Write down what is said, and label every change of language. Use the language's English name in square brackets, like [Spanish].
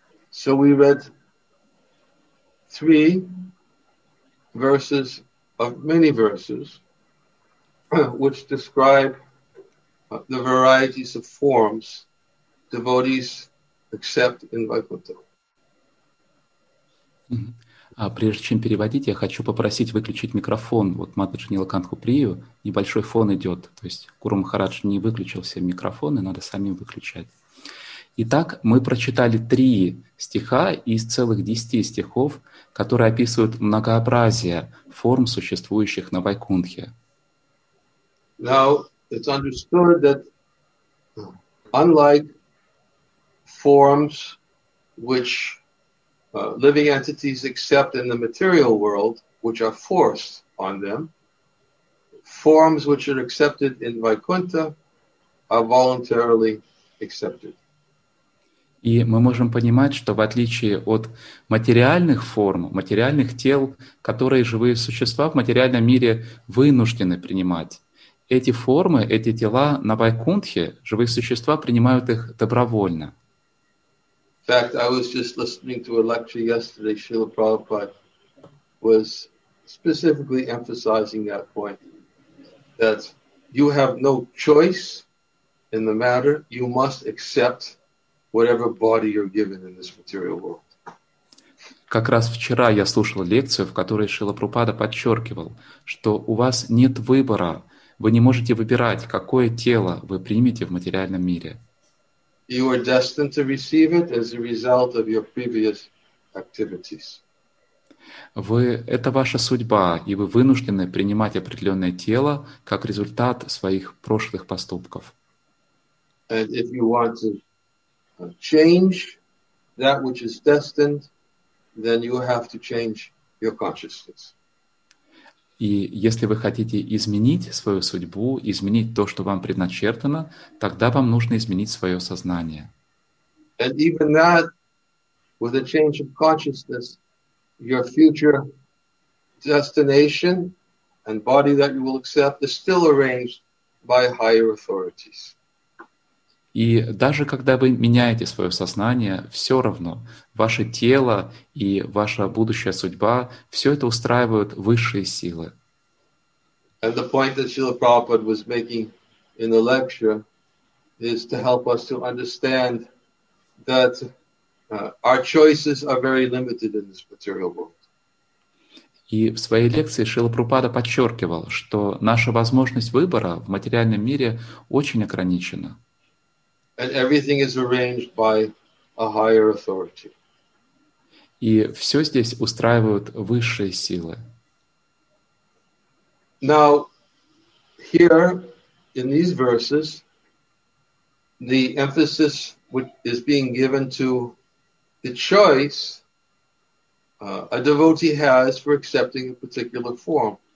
[English] So we read three verses, of many verses, which describe the varieties of forms devotees accept in Vaikuntha. [Russian] А прежде чем переводить, я хочу попросить выключить микрофон. Вот Матаджи Нилаканху Прию, небольшой фон идет. То есть Гуру Махарадж не выключился микрофон, и надо самим выключать. Итак, мы прочитали три стиха из целых 10 стихов, которые описывают многообразие форм, существующих на Вайкунтхе. [English] Now, it's understood that unlike forms which living entities accept in the material world, which are forced on them. Forms which are accepted in Vaikuntha are voluntarily accepted. [Russian] И мы можем понимать, что в отличие от материальных форм, материальных тел, которые живые существа в материальном мире вынуждены принимать, эти формы, эти тела на Вайкунтхе, живые существа принимают их добровольно. [English] In fact, I was just listening to a lecture yesterday. Srila Prabhupada was specifically emphasizing that point, that you have no choice in the matter. You must accept whatever body you're given in this material world. [Russian] Как раз вчера я слушал лекцию, в которой Шрила Прабхупада подчеркивал, что у вас нет выбора. Вы не можете выбирать, какое тело вы примете в материальном мире. [English] You are destined to receive it as a result of your previous activities. [Russian] Вы это ваша судьба, и вы вынуждены принимать определенное тело как результат своих прошлых поступков. [English] And if you want to change that which is destined, then you have to change your consciousness. [Russian] И если вы хотите изменить свою судьбу, изменить то, что вам предначертано, тогда вам нужно изменить свое сознание. [English] And even that, with a change of consciousness, your future destination and body that you will accept is still arranged by higher authorities. [Russian] И даже когда вы меняете свое сознание, все равно ваше тело и ваша будущая судьба все это устраивают высшие силы. [English] And the point that Srila Prabhupada was making in the lecture is to help us to understand that our choices are very limited in this material world. [Russian] И в своей лекции Шрила Прабхупада подчеркивал, что наша возможность выбора в материальном мире очень ограничена. [English] And everything is arranged by a higher authority. [Russian] И все здесь устраивают высшие силы. [English] Now, here in these verses, the emphasis which is being given to the choice a devotee has for accepting a particular form.